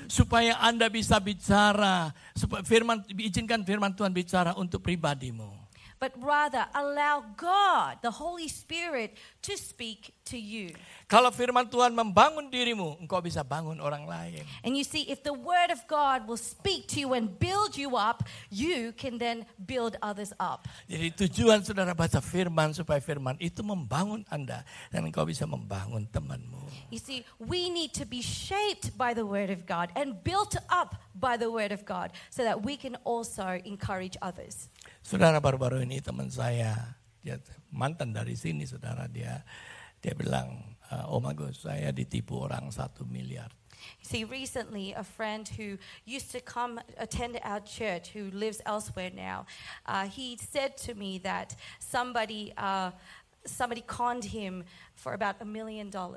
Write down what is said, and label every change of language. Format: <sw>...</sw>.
<id>Supaya Anda bisa bicara, supaya firman diizinkan firman Tuhan bicara untuk pribadimu.</id> <en>But rather allow God, the Holy Spirit, to speak to you.</en> <id>Kalau firman Tuhan membangun dirimu, engkau bisa bangun orang lain.</id> <en>And you see, if the word of God will speak to you and build you up, you can then build others up.</en> <id>Jadi tujuan saudara baca firman supaya firman itu membangun Anda dan engkau bisa membangun temanmu.</id> <en>You see, we need to be shaped by the word of God and built up by the word of God so that we can also encourage others.</en> <id>Saudara, baru-baru ini teman saya, dia mantan dari sini, saudara, dia bilang,</id> <en>oh my God,</en> <id>saya ditipu orang 1 miliar.</id> <en>See, recently a friend who used to come attend our church, who lives elsewhere now, he said to me that somebody conned him for about $1 million.</en>